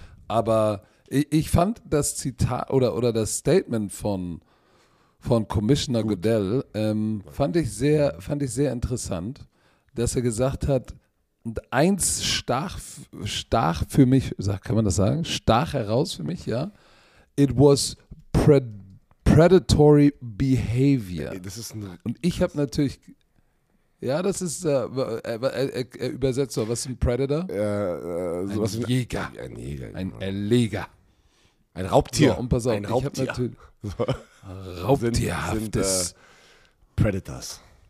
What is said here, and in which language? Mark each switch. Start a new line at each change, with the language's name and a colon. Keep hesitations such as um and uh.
German: Aber ich, ich fand das Zitat oder, oder das Statement von, von Commissioner Goodell ähm, fand, ich sehr, fand ich sehr interessant, dass er gesagt hat, und eins stach, stach für mich, sag- kann man das sagen? Stach heraus für mich, ja.
English: It was pred predatory behavior.
German: Ey, Das ist ein, Und ich habe natürlich, ja, das ist, äh, er, er, er, er übersetzt so, was ist ein Predator? äh, äh, sowas wie ein, Jäger. ein Jäger. Ein, Ein Erleger. Raubtier. So, und pass auf, ein ich habe Raubtier. natürlich So, Raubtierhaftes. sind, Predators.